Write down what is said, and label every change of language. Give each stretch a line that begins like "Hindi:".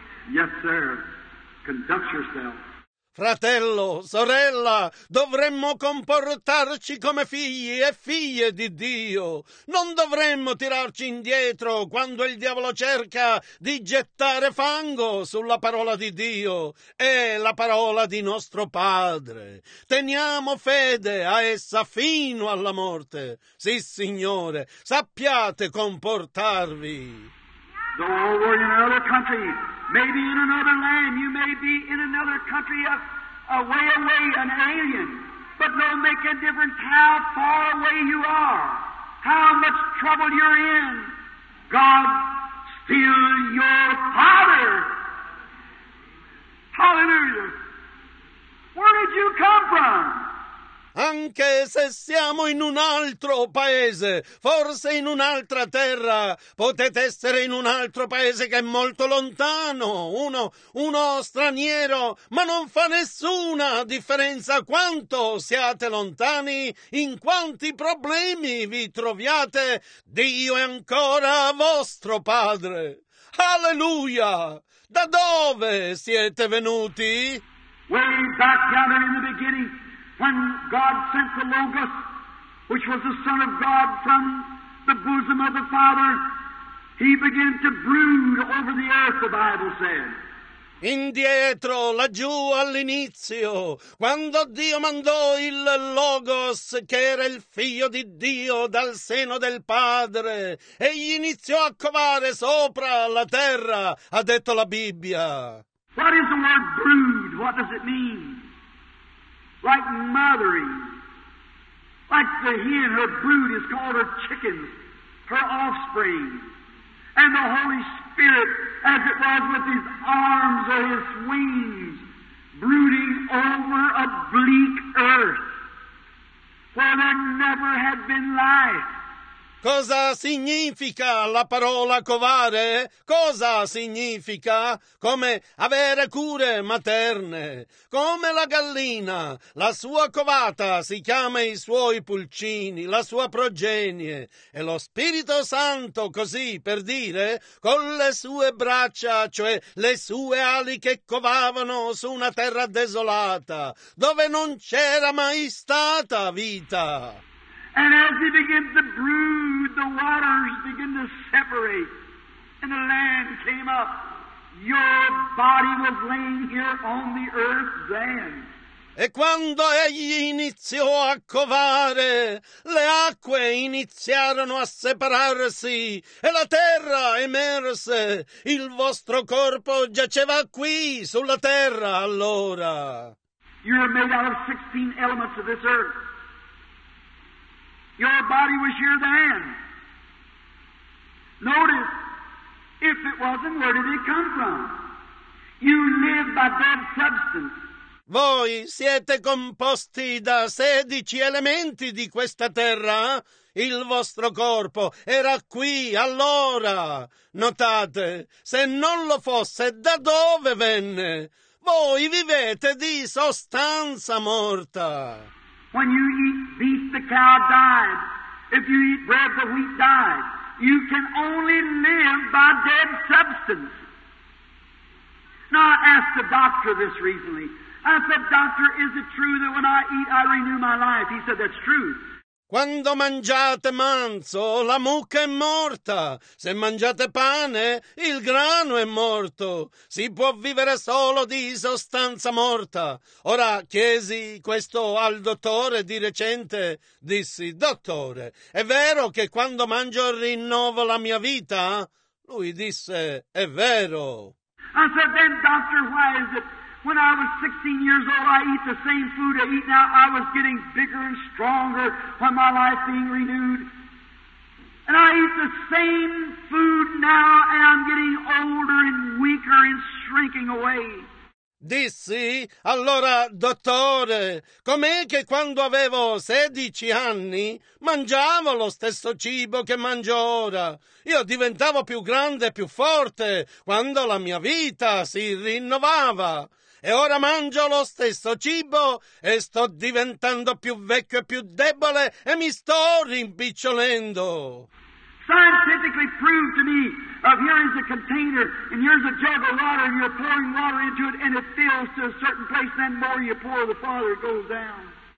English: Yes, sir. Conduct yourself.
Italian: Fratello, sorella, dovremmo comportarci come figli e figlie di Dio. Non dovremmo tirarci indietro quando il diavolo cerca di gettare fango sulla parola di Dio e la parola di nostro Padre. Teniamo fede a essa fino alla morte. Sì, Signore, sappiate comportarvi.
English: Though we're in another country, maybe in another land, you may be in another country of a way away, an alien, but no make a difference how far away you are, how much trouble you're in. God's still your Father. Hallelujah. Where did you come from?
Italian: Anche se siamo in un altro paese, forse in un'altra terra, potete essere in un altro paese che è molto lontano, uno straniero, ma non fa nessuna differenza quanto siate lontani, in quanti problemi vi troviate, Dio è ancora vostro Padre. Alleluia! Da dove siete venuti?
English: Way back down in the beginning. When God sent the Logos, which was the Son of God from the bosom of the Father, he began to brood over the earth, the Bible said.
Italian: Indietro, laggiù all'inizio, quando Dio mandò il Logos, che era il figlio di Dio dal seno del Padre, egli iniziò a covare sopra la terra, ha detto la Bibbia.
English: What is the word brood? What does it mean? Like mothering, like the hen, her brood is called her chickens, her offspring. And the Holy Spirit, as it was with his arms or his wings, brooding over a bleak earth, where there never had been life.
Italian: Cosa significa la parola covare? Cosa significa? Come avere cure materne. Come la gallina, la sua covata si chiama i suoi pulcini, la sua progenie. E lo Spirito Santo, così per dire, con le sue braccia, cioè le sue ali che covavano su una terra desolata, dove non c'era mai stata vita.
English: And as he began to brood, the waters began to separate, and the land came up. Your body was laying here on the earth then.
Italian: E quando egli iniziò a covare, le acque iniziarono a separarsi e la terra emerse. Il vostro corpo giaceva qui, sulla terra, allora.
English: You were made out of 16 elements of this earth. Your body was here then. Notice, if it wasn't, where did it come from? You live by that substance.
Italian: Voi siete composti da 16 elementi di questa terra? Il vostro corpo era qui allora. Notate, se non lo fosse, da dove venne? Voi vivete di sostanza morta.
English: When you eat beef, the cow died. If you eat bread, the wheat died. You can only live by dead substance. Now I asked the doctor this recently. I said, doctor, is it true that when I eat, I renew my life? He said, that's true.
Italian: Quando mangiate manzo, la mucca è morta. Se mangiate pane, il grano è morto. Si può vivere solo di sostanza morta. Ora chiesi questo al dottore di recente. Dissi, dottore, è vero che quando mangio rinnovo la mia vita? Lui disse, è vero.
English: I said, then, doctor, why is it? When I was 16 years old, I eat the same food I eat now. I was getting bigger and stronger when my life being renewed. And I eat the same food now, and I'm getting older and weaker and shrinking away.
Italian: Dissi, allora, dottore, com'è che quando avevo 16 anni mangiavo lo stesso cibo che mangio ora? Io diventavo più grande e più forte quando la mia vita si rinnovava. E ora mangio lo stesso cibo e sto diventando più vecchio e più debole e mi sto rimpicciolendo.
English: Scientifically proved to me of here is a container and here's a jug of water and you're pouring water into it and it fills to a certain place and then more you pour the farther it goes down.